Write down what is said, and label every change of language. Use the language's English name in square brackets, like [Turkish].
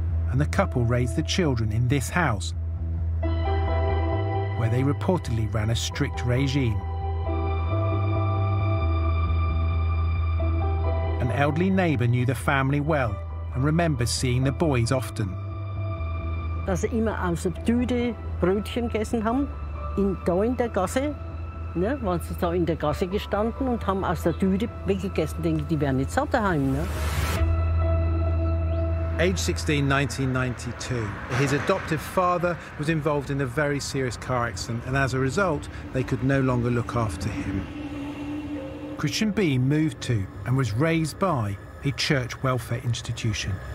[English] And the couple raised the children in this house, where they reportedly ran a strict regime. An elderly neighbour knew the family well and remembers seeing the boys often. [German] Dass sie immer aus der Tüte Brötchen gegessen haben, da in der Gasse, ne, waren sie da in der Gasse gestanden und haben aus der Tüte weggegessen, denke ich, die wären nicht satt daheim, ne? [English] Age 16, 1992, his adoptive father was involved in a very serious car accident, and as a result, they could no longer look after him. Christian B moved to and was raised by a church welfare institution.